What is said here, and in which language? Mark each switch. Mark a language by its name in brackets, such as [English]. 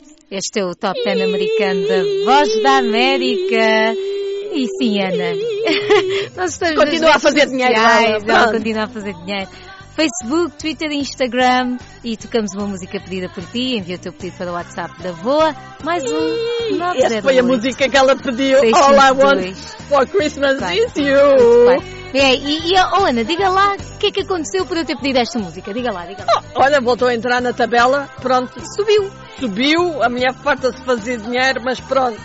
[Portuguese] Este é o Top 10 americano da Voz da América. E sim, Ana. Continua a fazer dinheiro. Continua a fazer dinheiro. Facebook, Twitter, Instagram. E tocamos uma música pedida por ti. Envia o teu pedido para o WhatsApp da Voa. Mais um. Essa foi a música que ela pediu. [English] All I want for Christmas is you. [Portuguese] E Ana, diga lá o que é que aconteceu por eu ter pedido esta música. Diga lá. Olha, voltou a entrar na tabela. Pronto. Subiu. Subiu, a mulher farta-se fazer dinheiro, mas pronto.